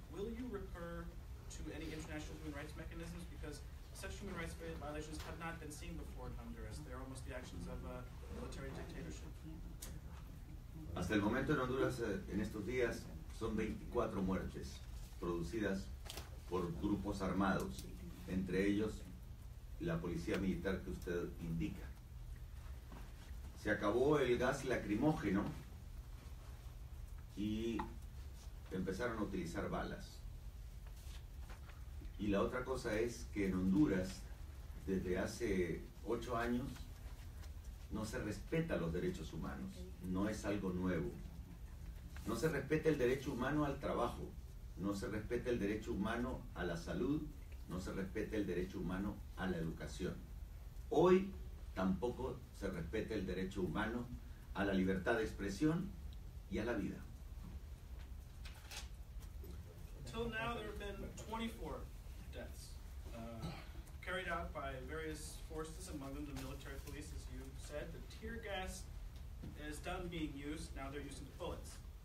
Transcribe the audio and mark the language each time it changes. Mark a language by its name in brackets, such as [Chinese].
[English] Will you recur to any international human rights mechanisms? Because such human rights violations have not been seen before in Honduras. They're almost the actions of a military dictatorship. [Spanish] Hasta el momento en Honduras, en estos días, son 24 muertes producidas por grupos armados, entre ellos la policía militar que usted indica. Se acabó el gas lacrimógeno y empezaron a utilizar balas. Y la otra cosa es que en Honduras, desde hace 8 años, no se respeta los derechos humanos, no es algo nuevo. No se respeta el derecho humano al trabajo, no se respeta el derecho humano a la salud, no se respeta el derecho humano a la educación. Hoy tampoco se respeta el derecho humano a la libertad de expresión y a la vida. [English] Until now, there have been 24 deaths carried out by various forces, among them the military police, as you said. The tear gas is done being used. Now they're using the bullets.